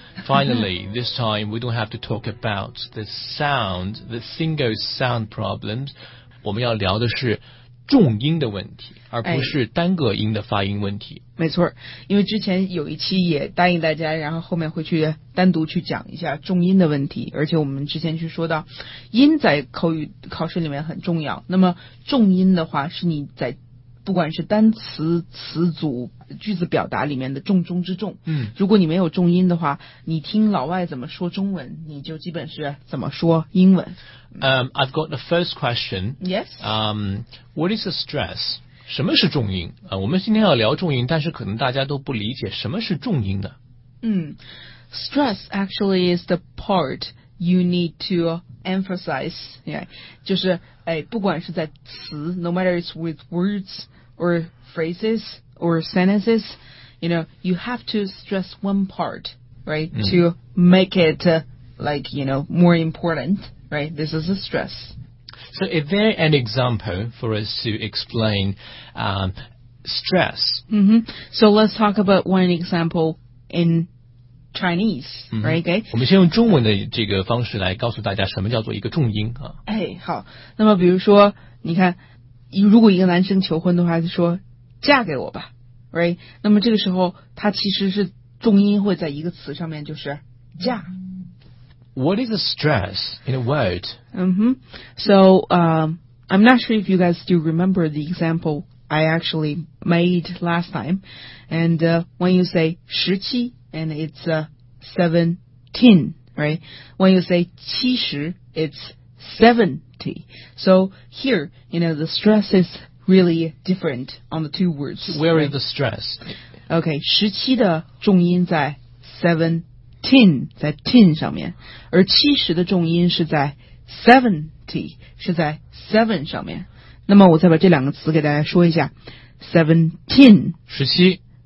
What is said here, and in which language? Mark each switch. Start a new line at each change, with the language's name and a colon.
English: Finally, this time we don't have to talk about the sound, the single sound problems.
Chinese: 我们要聊的是重音的问题，而不是单个音的发音问题。没错，因为之前有一期也答应大家，然后后面会去单独去讲一下重音的问题，而且我们之前去说到音在口语考试里面很重要，那么重音的话是你在不管是单词、词组、句子表达里面的重中之重。嗯，如果你没有重音的话，你听老外怎么说中文，你就基本是怎么说英文。
English: I've got the first question. Yes. What is a stress?
Chinese: 什么是重音？我们今天要聊重音，但是可能大家都不理解什么是重音的。
English: Stress actually is the part you need to emphasize. Yeah,
Chinese: 就是不管是在词
English: ，no matter it's with words or phrases or sentences, you have to stress one part, right, to make it more important, right? This is a stress. So, is there an example for us to explain stress? Mm-hmm. So let's talk about one example in Chinese, right? Okay.
Chinese: 我们先用中文的这个方式来告诉大家什么叫做一个重音啊。哎，好。那么比如说，你看，如果一个男生求婚的话，就说嫁给我吧，
English: right?
Chinese: 那么这个时候，他其实是重音会在一个词上面，就是嫁。
English: What is the stress in a word? So, I'm not sure if you guys still remember the example I actually made last time. And when you say 17,And it's 17, right? When you say 70, it's 70. So here, the stress is really different on the two words. Where is the stress?
Chinese: Okay, 17的重音在 17, 在 10 上面，而70的重音是在 70, 是在 7 上面。那么我再把这两个词给大家说一下， 17,
English: 17。